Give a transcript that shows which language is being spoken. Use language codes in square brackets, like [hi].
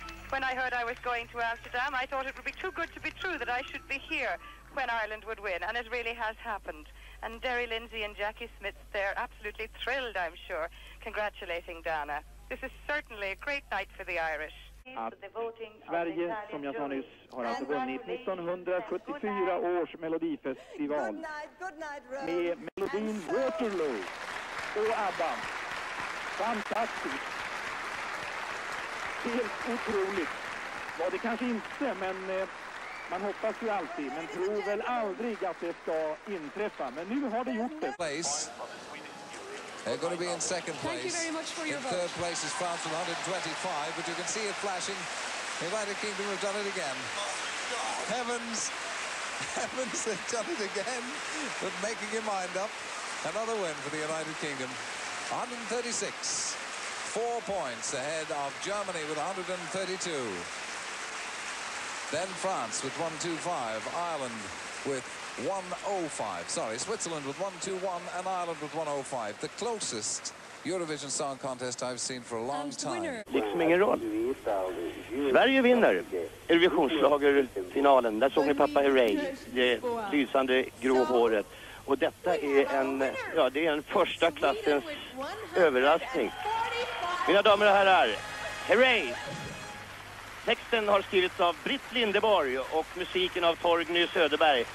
[en] When I heard I was going to Amsterdam, I thought it would be too good to be true that I should be here when Ireland would win, and it really has happened. And Derry Lindsay and Jackie Smith, they're absolutely thrilled, I'm sure, congratulating Dana. This is certainly a great night for the Irish. [sv] Sverige, som jag sa nyss, har alltså vunnit 1974 års Melodifestival med melodin Waterloo och ABBA. Fantastiskt! Helt otroligt! Ja, det kanske inte, men man hoppas ju alltid, men tror väl aldrig att det ska inträffa. Men nu har det gjort det! [en] They're going to be in second place. Thank you very much for your vote. In third place is France with 125, but you can see it flashing. The United Kingdom have done it again. Oh, God. Heavens, heavens, they've done it again. But making your mind up, another win for the United Kingdom. 136, 4 points ahead of Germany with 132. Then France with 125, Ireland with 105, sorry, Switzerland with 121 and Ireland with 105. The closest Eurovision Song Contest I've seen for a long time. [sv] Liksom ingen roll. Sverige vinner Eurovisionsslager finalen. Där såg ni pappa Hurray, det lysande grå håret. Och detta är en, ja, det är en första klassens överraskning. Mina damer och herrar, Hurray! Texten har skrivits av Britt Lindeborg och musiken av Torgny Söderberg.